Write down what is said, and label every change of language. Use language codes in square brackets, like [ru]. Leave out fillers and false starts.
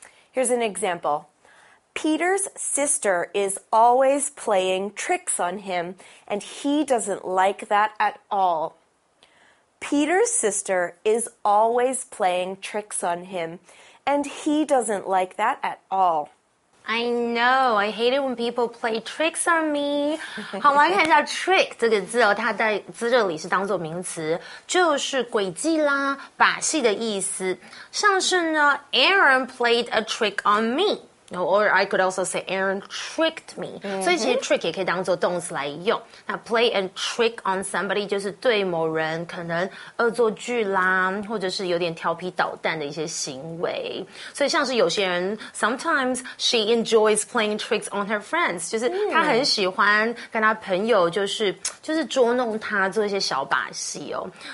[en] Here's an example. Peter's sister is always playing tricks on him, and he doesn't like that at all. Peter's sister is always playing tricks on him, and he doesn't like that at all. I know, I hate it when people play tricks on me. [zh] 好，我们来看一下 trick 这个字哦，它在字这里是当作名词，就是诡计啦、把戏的意思。像是呢 [en] ，Aaron played a trick on me. Or I could also say Aaron tricked me. [zh] 所以其实 trick 也可以当作动词来用。那 [en] play a trick on somebody [zh] 就是对某人可能恶作剧啦，或者是有点调皮捣蛋的一些行为。所以像是有些人 ， [en] sometimes she enjoys playing tricks on her friends， [zh] 就是她很喜欢跟她朋友就是捉弄她做一些小把戏哦。